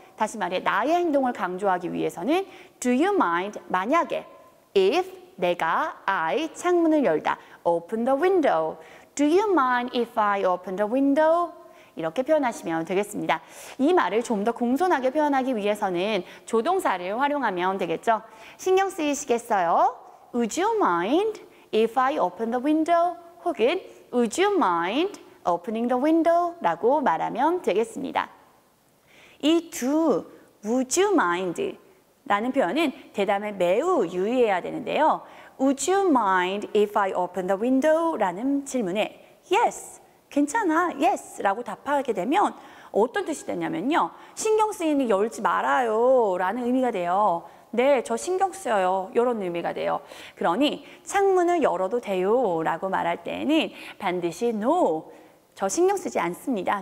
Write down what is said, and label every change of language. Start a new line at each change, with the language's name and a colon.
Korean: 다시 말해 나의 행동을 강조하기 위해서는
English: Do you mind 만약에 if 내가 I
Korean: 창문을 열다
English: open the window Do you mind if I open the window?
Korean: 이렇게 표현하시면 되겠습니다. 이 말을 좀 더 공손하게 표현하기 위해서는 조동사를 활용하면 되겠죠. 신경 쓰이시겠어요?
English: Would you mind if I open the window? 혹은 Would you mind opening the window?
Korean: 라고 말하면 되겠습니다. 이 두 Would you mind 라는 표현은 대담에 매우 유의해야 되는데요.
English: Would you mind if I open the window?
Korean: 라는 질문에 Yes! 괜찮아, yes 라고 답하게 되면 어떤 뜻이 되냐면요. 신경 쓰이는 열지 말아요 라는 의미가 돼요. 네, 저 신경 쓰여요. 이런 의미가 돼요. 그러니 창문을 열어도 돼요 라고 말할 때에는 반드시 no, 저 신경 쓰지 않습니다.